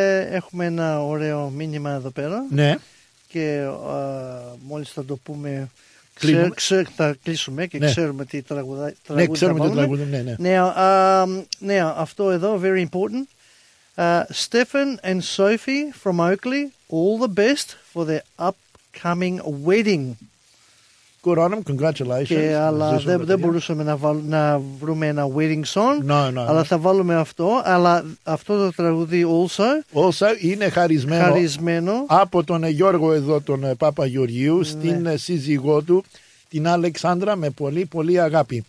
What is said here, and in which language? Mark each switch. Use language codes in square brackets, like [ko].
[el] Έχουμε ένα ωραίο μήνυμα εδώ πέρα. Ναι. Και μόλις θα το πούμε, θα κλείσουμε και ξέρουμε τι τραγουδάμε. Ναι, ξέρουμε τι τραγουδάμε, ναι. Ναι, αυτό εδώ, [en] very important. Stephen and Sophie from Oakley, all the best for their upcoming wedding. Good on them, congratulations. [el] Και αλλά δεν μπορούσαμε να βρούμε ένα [en] wedding song. No. [el] Αλλά θα βάλουμε αυτό. Αλλά αυτό το τραγούδι [en] also. Also [el] είναι χαρισμένο. Από τον Γιώργο εδώ, τον Πάπα Γεωργίου, στην σύζυγό του, την Αλεξάνδρα, με πολύ πολύ αγάπη.